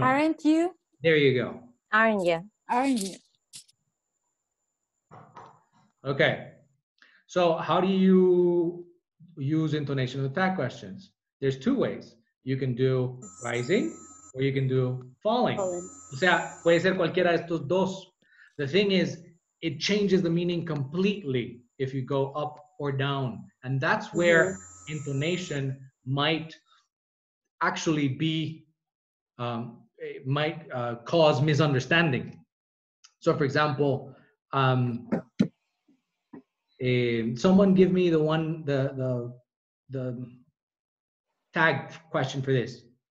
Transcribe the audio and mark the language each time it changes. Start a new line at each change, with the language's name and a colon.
English: Aren't you? There you go. Aren't you? Aren't you? Okay. So how do you use intonation of the tag questions? There's two ways. You can do rising or you can do falling.
Spanish: O sea, puede ser cualquiera de estos dos.
English: The thing is, it changes the meaning completely if you go up or down. And that's where intonation might actually be, might cause misunderstanding. So for example, someone give me the tag question for this.